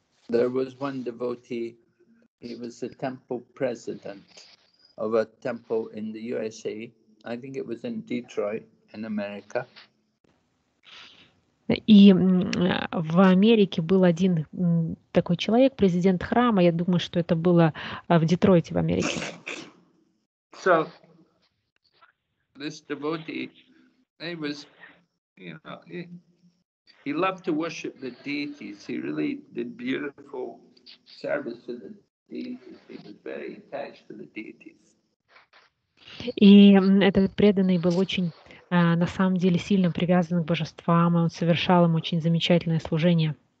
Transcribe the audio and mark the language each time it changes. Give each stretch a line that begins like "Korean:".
English: There was one devotee, he was the temple president of a temple in the USA. I think it was in Detroit, in America.
Russian: И в Америке был один такой человек, президент храма, я думаю, что это было в Детройте, в Америке.
English: So, this devotee, he was, he loved to worship the deities, he really did beautiful service to the deities, he was very attached to the deities.
Russian: И этот преданный был очень на самом деле сильно привязан к божествам, и он совершал им очень замечательное служение.